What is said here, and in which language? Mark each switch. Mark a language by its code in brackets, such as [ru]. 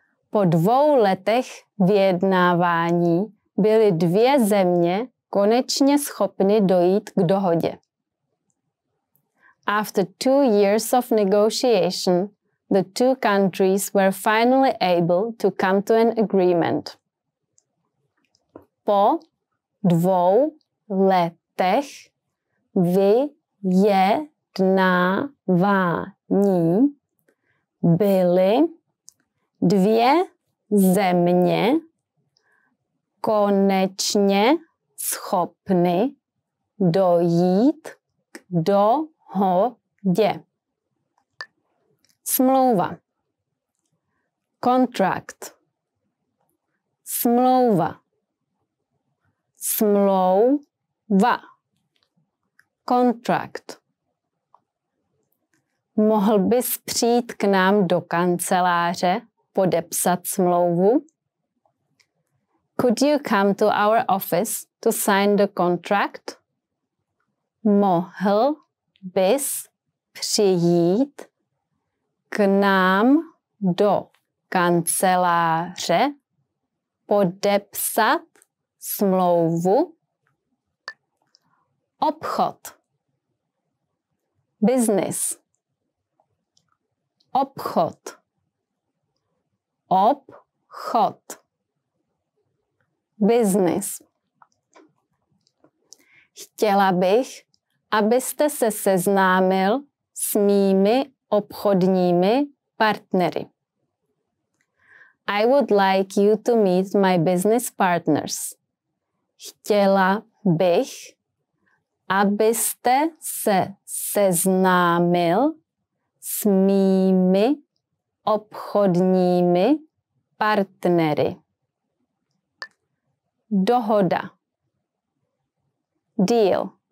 [cs] Po dvou letech vyjednávání byly dvě země konečně schopny dojít k dohodě. [en] After 2 years of negotiation, the two countries were finally able to come to an agreement. [cs] Po dvou letech vyjednávání byly dvě země konečně schopny dojít k dohodě. Smlouva. Contract. Smlouva. Smlouva. Contract. Mohl bys přijít k nám do kanceláře podepsat smlouvu? [en] Could you come to our office to sign the contract? [cs] Mohl bys přijít k nám do kanceláře podepsat smlouvu? Obchod. Business. Obchod. Obchod. Business. Chtěla bych, abyste se seznámil s mými obchodními partnery. [en] I would like you to meet my business partners. [cs] Chtěla bych, abyste se seznámil s mými obchodními partnery. Dohoda. Deal.